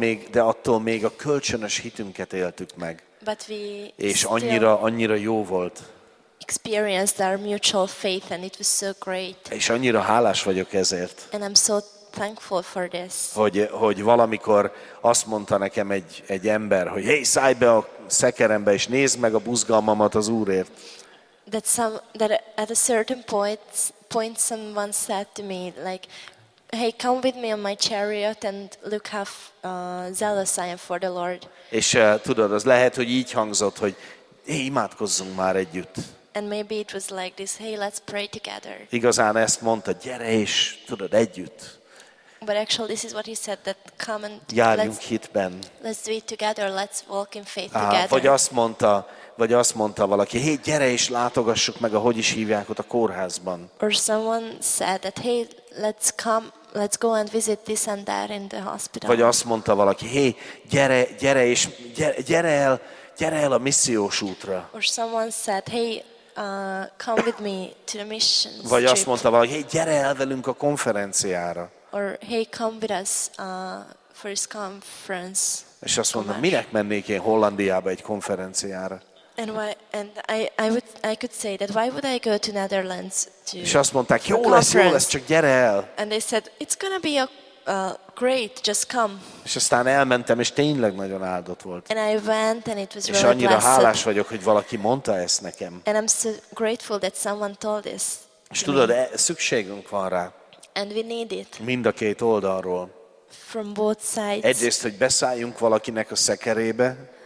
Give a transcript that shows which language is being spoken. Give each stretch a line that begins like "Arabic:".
Hungarian: De attól még a kölcsönös hitünket éltük meg.
English: But we.
Hungarian: És annyira jó volt.
English: Experienced our mutual faith and it was so great.
Hungarian: És annyira hálás vagyok ezért.
English: And I'm so thankful for this.
Hungarian: Hogy valamikor azt mondta nekem egy ember, hogy hey, szállj be a szekerembe és nézd meg a buzgalmamat az Úrért.
English: That at a certain point someone said to me like, hey, come with me on my chariot and look how zealous I am for the Lord.
Hungarian: És tudod, az lehet, hogy így hangzott, hogy hey, imádkozzunk már együtt.
English: And maybe it was like this, hey, let's pray together.
Hungarian: Igazán ezt mondta, gyere és tudod, együtt.
English: But actually this is what he said, that come and let's do it together, let's walk in faith together.
Hungarian: Vagy azt mondta valaki, hé, gyere és látogassuk meg, ahogy is hívják ott a kórházban.
English: Or someone said that, hey, let's go and visit this and that in the hospital.
Hungarian: Vagy azt mondta valaki, hé, gyere el a missziós útra.
English: Or someone said, hey, come with me to the missions.
Hungarian: Vagy azt mondta valaki, hé, gyere el velünk a konferenciára.
English: Or hey, come with us for this conference.
Hungarian: És azt mondta, minek mennék én Hollandiába egy konferenciára?
English: And I could say that why would I go to Netherlands to?
Hungarian: És azt mondták, jó lesz, csak gyere el.
English: And they said it's gonna be a great, just come.
Hungarian: És aztán elmentem, és tényleg nagyon áldott volt.
English: And I went and it was really.
Hungarian: És annyira hálás vagyok, hogy valaki mondta ezt nekem.
English: And I'm so grateful that someone told this.
Hungarian: És tudod, szükségünk van rá.
English: And we need it.
Hungarian: Mind a két oldalról.
English: from both sides.
Hungarian: Egyrészt, hogy beszálljunk valakinek a szekerébe.